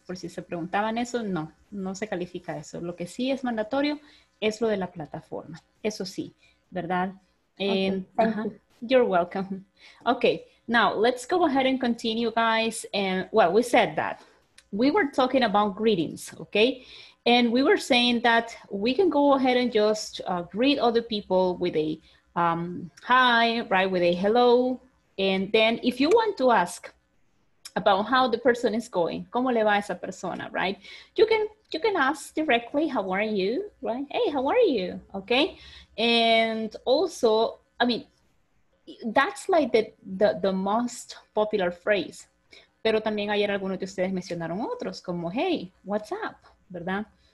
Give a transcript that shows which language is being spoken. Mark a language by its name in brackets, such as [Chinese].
[Spanish] Por si se preguntaban eso, no, no se califica eso. Lo que sí es mandatorio es lo de la plataforma. Eso sí, ¿verdad? [English] And, okay, thank you. You're welcome. Okay, now let's go ahead and continue, guys. And well, we said that. We were talking about greetings, okay? And we were saying that we can go ahead and just greet other people with a hi, right, with a hello. And then if you want to ask about how the person is going, [Spanish] ¿cómo le va esa persona, [English] right? You can ask directly, how are you, right? Hey, how are you, okay? And also, I mean, that's like the most popular phrase. [Spanish] Pero también ayer algunos de ustedes mencionaron otros, como [English] hey, what's up, [Spanish] ¿verdad?